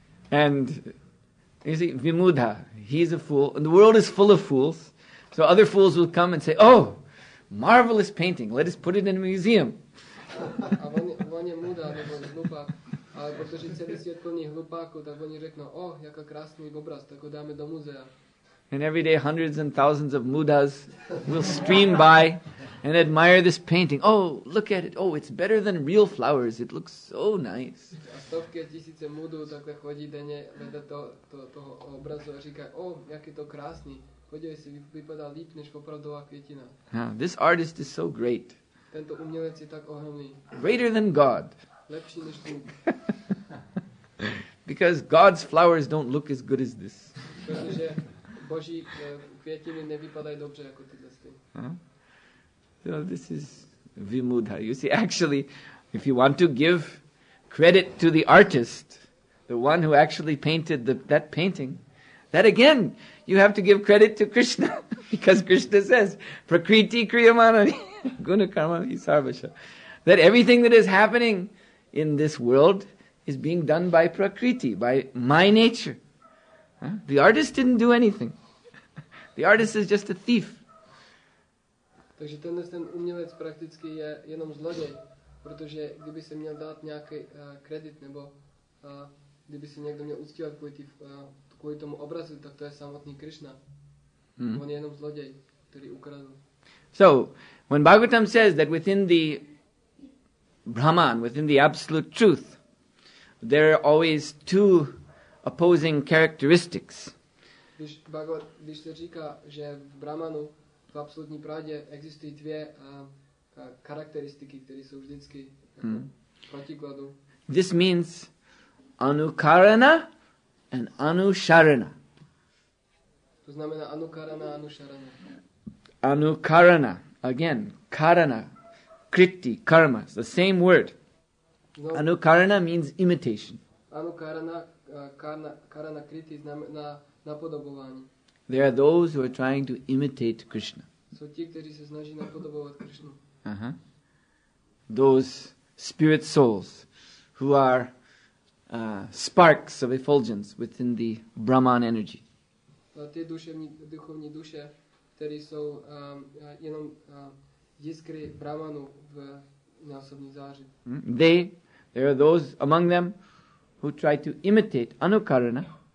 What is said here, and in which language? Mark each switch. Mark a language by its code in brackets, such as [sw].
[en] And you see, Vimudha, he's a fool. And the world is full of fools. So other fools will come and say, oh, marvelous painting, let us put it in a museum. [cs] A on je muda, nebo hlupák. Ale protože celý svět plní hlupáku, tak oni řeknou, oh, jaká krásný obraz, tak ho dáme do muzea. [en] And every day hundreds and thousands of mudas will stream by and admire this painting. Oh, look at it. Oh, it's better than real flowers. It looks so nice. [cs] A stovky a tisíce mudů takhle chodí denně vedle toho obrazu a říkají, oh, jak je to krásný. Podívej se, vypadá líp než opravdová květina. [en] This artist is so great. [cs] Tento umělec je tak ohromný. [en] Greater than God. [cs] Lepší než Bůh. [en] Because God's flowers don't look as good as this. [cs] Boží květiny nevypadají dobře jako tyhle ty. [en] So this is Vimudha. You see, actually, if you want to give credit to the artist, the one who actually painted that painting, that again, you have to give credit to Krishna, because Krishna says, [sa] Prakriti Kriyamanani Guna Karmani Sarvasha, [en] that everything that is happening in this world is being done by Prakriti, by my nature. The artist didn't do anything. The artist is just a thief. [cs] Takže ten umělec prakticky je jenom zloděj, protože kdyby se měl dát nějaký kredit, nebo kdyby se někdo měl uctívat kvůli tomu obrazu, tak to je samotný Krishna. On je jenom zloděj, který ukradl. [en] So, when Bhagavatam says that within the Brahman, within the absolute truth, there are always two opposing characteristics. [cs] Když se říká, že v Brahmanu v absolutní pravdě existují dvě charakteristiky, které jsou vždycky protikladu. [en] This means anukarana and anusharana. [cs] To znamená anukarana a anusharana. [en] Anukarana, again, karana, kriti, karma, it's the same word. No. Anukarana means imitation. [cs] Anukarana, karana, kriti znamená napodobování. [en] There are those who are trying to imitate Krishna. [cs] Jsou ti, kteří se snaží napodobovat Krishnu. [en] Those spirit souls who are sparks of effulgence within the Brahman energy. [cs] Ty duchovní duše, které jsou jenom jiskry Brahmanu v násobní záři. [en] There are those among them who try to imitate anukarana.